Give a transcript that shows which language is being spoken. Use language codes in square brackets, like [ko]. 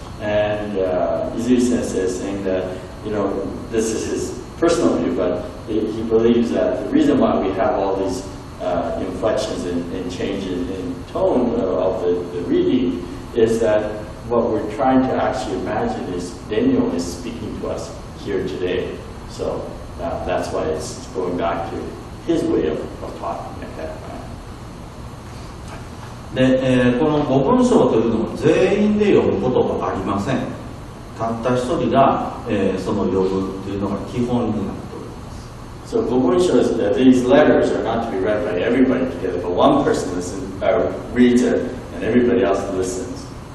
[en] And Izui-sensei is saying that, you know, this is his personal view, but he believes that the reason why we have all these inflections and changes in tone of the reading is that what we're trying to actually imagine is Daniel is speaking to us here today. So that's why it's going back to his way of talking at that time. [ja] この五文書というのは全員で読むことはありません。たった一人がその読むというのが基本になる。 [en] So, 五文書 is that these letters are not to be read by everybody together, but one person listens, reads it, and everybody else listens.